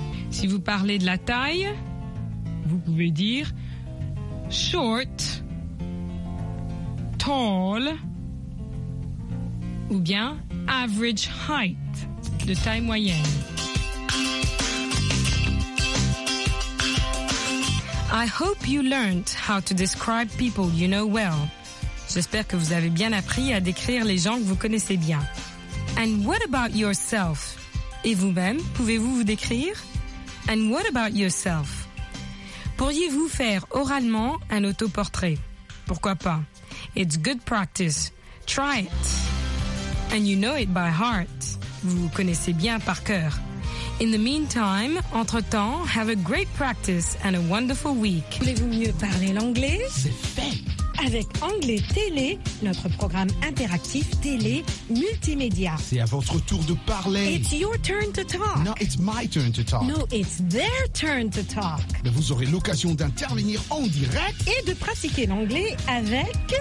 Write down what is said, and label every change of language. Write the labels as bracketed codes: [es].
[fr] Si vous parlez de la taille, vous pouvez dire short, tall, ou bien average height, de taille moyenne. [en] I hope you learned how to describe people you know well. [fr] J'espère que vous avez bien appris à décrire les gens que vous connaissez bien. [en] And what about yourself? [fr] Et vous-même, pouvez-vous vous décrire? [en] And what about yourself? [fr] Pourriez-vous faire oralement un autoportrait? Pourquoi pas? [en] It's good practice. Try it. And you know it by heart. [fr] Vous connaissez bien par cœur. [en] In the meantime, entre-temps, have a great practice and a wonderful week. [fr] Voulez-vous mieux parler l'anglais? C'est fait! Avec Anglais Télé, notre programme interactif télé multimédia. C'est à votre tour de parler. [en] It's your turn to talk. No, it's my turn to talk. No, it's their turn to talk. [fr] Mais vous aurez l'occasion d'intervenir en direct. Et de pratiquer l'anglais avec...